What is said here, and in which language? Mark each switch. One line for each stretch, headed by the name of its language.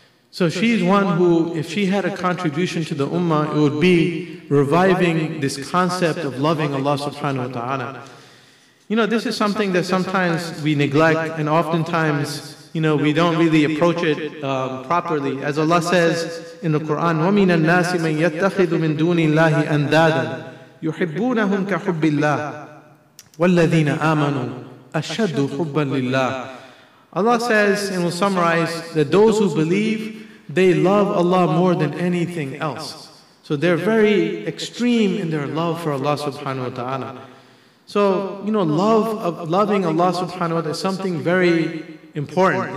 English: So she's one who, if she had a contribution to the ummah, it would be reviving this concept of loving Allah subhanahu wa ta'ala. You know, this is something that sometimes we neglect, and oftentimes, you know, we don't really approach it properly. As Allah says in the Quran,
Arabic: وَمِنَ النَّاسِ مَنْ يَتَّخِذُ مِنْ دُونِ اللَّهِ أَنْدَادًا يُحِبُّونَهُمْ كَحُبِّ اللَّهِ وَالَّذِينَ آمَنُوا أَشَدُّ حُبًّا لِلَّهِ.
English: Allah says, and we'll summarize, that those who believe, they love Allah more than anything else. So they're very extreme in their love for Allah subhanahu wa ta'ala. So, you know, loving Allah subhanahu wa ta'ala is something very important.